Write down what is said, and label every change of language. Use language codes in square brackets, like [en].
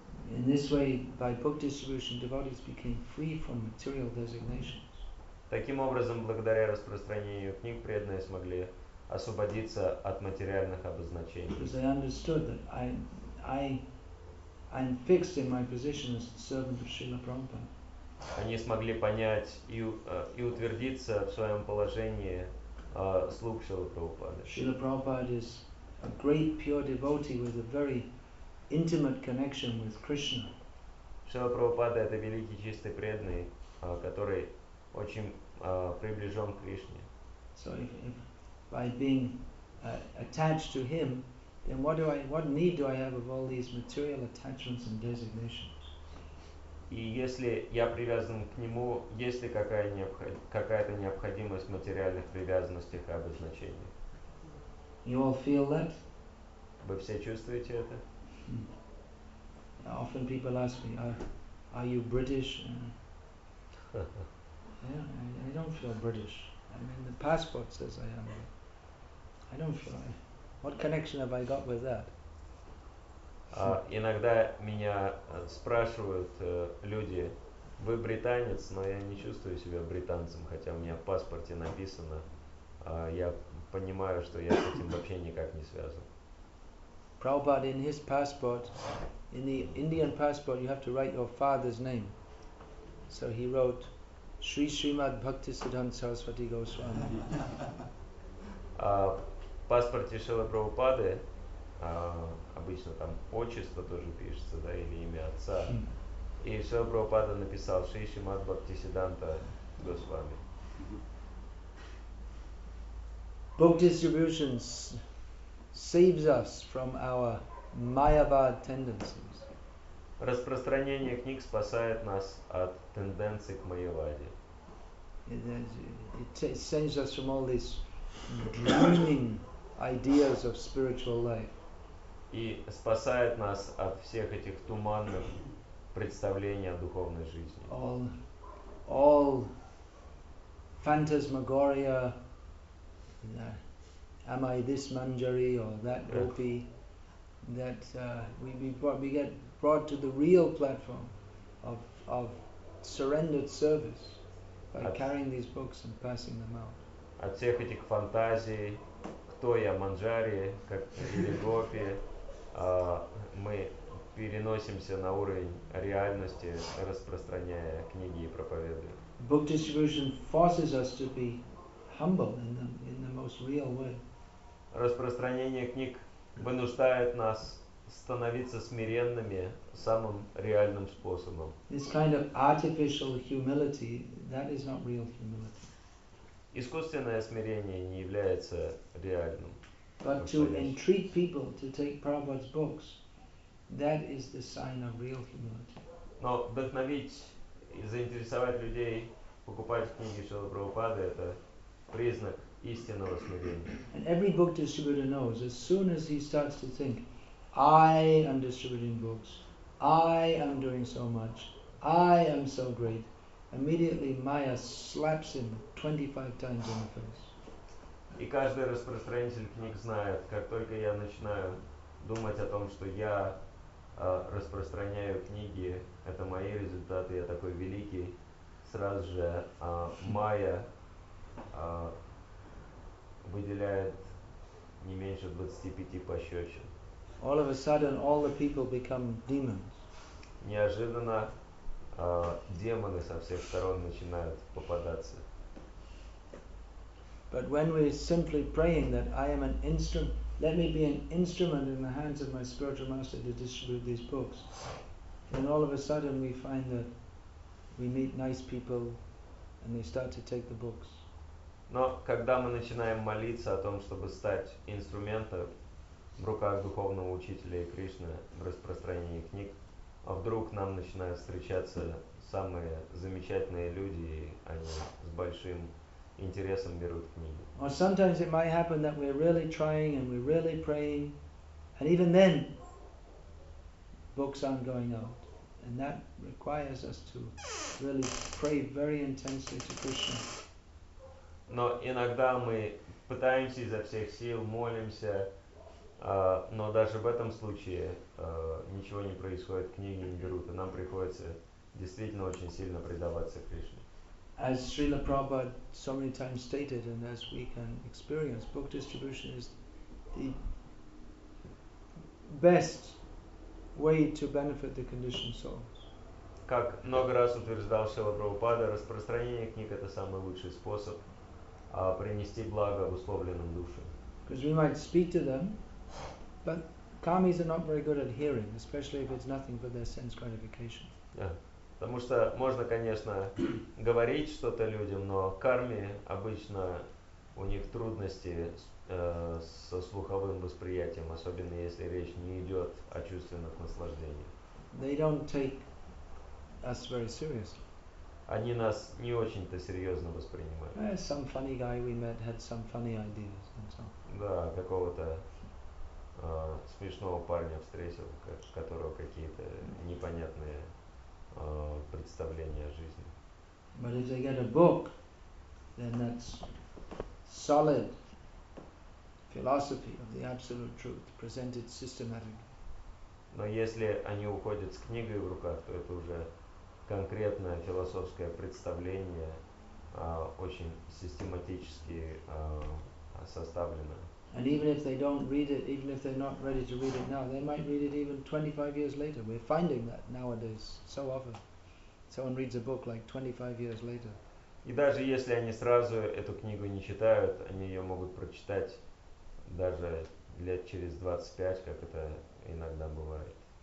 [en] In this way, by book distribution, devotees became free from material designations. [ru] Таким образом, благодаря распространению книг, преданные смогли освободиться от материальных обозначений. [en] Because they understood that I'm fixed in my position as the servant of Srila Prabhupada. [ru] Они смогли понять и утвердиться в своем положении слуг Шрилы Прабхупады. [en] Srila Prabhupada is a great pure devotee with a very intimate connection with Krishna. [ru] Шрила Прабхупада – это великий чистый преданный, который очень приближен к Кришне. [en] So if by being attached to him, then what need do I have of all these material attachments and designations? [ru] И если я привязан к нему, есть ли какая-то необходимость в материальных привязанностях и обозначениях? [en] You all feel that? [ru] Вы все чувствуете это? [en] Often people ask me, are you British? Yeah, I don't feel British. I mean, the passport says I am. I don't feel. What connection have I got with that? [ru] Иногда меня спрашивают люди: вы британец? Но я не чувствую себя британцем, хотя у меня в паспорте написано. Я понимаю, что я с этим вообще никак не связан. [en] Prabhupada, in his passport, in the Indian passport, you have to write your father's name. So he wrote Shri Srimad Bhaktisiddhanta Saraswati Goswami. [ru] В паспорте Шрилы Прабхупады обычно там отчество тоже пишется, да, или имя отца. И Шрила Прабхупада написал Шри Шримад Бхактисиддханта Госвами. [en] Book distribution saves us from our Mayavad tendencies. [ru] Распространение книг спасает нас от тенденций к Майяваде. [en] It saves us from all these drowning ideas of spiritual life. [ru] И спасает нас от всех этих туманных представлений о духовной жизни. [en] All phantasmagoria. Am I this manjari or that gopi? That we get brought to the real platform of surrendered service. By carrying these books and passing them out. [ru] От всех этих фантазий, кто я, манджари, как или гопи, мы переносимся на уровень реальности, распространяя книги и проповедуя. [en] Book distribution forces us to be humble in the most real way. [ru] Распространение книг вынуждает нас становиться смиренными самым реальным способом. [en] This kind of artificial humility, that is not real humility. [ru] Искусственное смирение не является реальным. [en] But to entreat people to take Prabhupada's books, that is the sign of real humility. [ru] Но вдохновить и заинтересовать людей покупать книги Шрилы Прабхупады – это признак истинного смирения. [en] And every book distributor knows, as soon as he starts to think, I am distributing books, I am doing so much, I am so great, immediately Maya slaps him 25 times in the face. [ru] И каждый распространитель книг знает, как только я начинаю думать о том, что я распространяю книги, это мои результаты, я такой великий, сразу же Майя выделяет не меньше 25 пощечин. [en] All of a sudden, all the people become demons. [ru] Неожиданно демоны со всех сторон начинают попадаться. [en] But when we're simply praying that I am an instrument, let me be an instrument in the hands of my spiritual master to distribute these books, then all of a sudden we find that we meet nice people and they start to take the books. [ru] Но когда мы начинаем молиться о том, чтобы стать инструментом в руках духовного учителя и Кришны в распространении книг, а вдруг нам начинают встречаться самые замечательные люди, и они с большим интересом берут книги. [en] Or sometimes it might happen that we're really trying and we're really praying, and even then books aren't going out. And that requires us to really pray very intensely to Krishna. [ru] Но иногда мы пытаемся изо всех сил, молимся, но даже в этом случае ничего не происходит, книги не берут, и нам приходится действительно очень сильно предаваться Кришне. [en] As Srila Prabhupada so many times stated, and as we can experience, book distribution is the best way to benefit the conditioned souls. [ru] Как много раз утверждал Шрила Прабхупада, распространение книг — это самый лучший способ принести благо обусловленным душам. [en] Because we might speak to them, but karmis are not very good at hearing, especially if it's nothing but their sense gratification. Yeah. [ru] Потому что можно, конечно, говорить что-то людям, но карми обычно у них трудности со слуховым восприятием, особенно если речь не идет о чувственных наслаждениях. [en] They don't take us very seriously. [ru] Они нас не очень-то серьезно воспринимают. [en] Some funny guy we met had some funny ideas and so. [ru] Да, какого-то смешного парня встретил, которого какие-то непонятные представления о жизни. [en] But if they get a book, then that's solid philosophy of the absolute truth presented systematically. [ru] Но если они уходят с книгой в руках, то это уже конкретное философское представление, очень систематически составленное. [en] And even if they don't read it, even if they're not ready to read it now, they might read it even 25 years later. We're finding that nowadays so often. Someone reads a book like 25 years later. [ru] И даже если они сразу эту книгу не читают, они ее могут прочитать даже лет через 25, как это иногда бывает.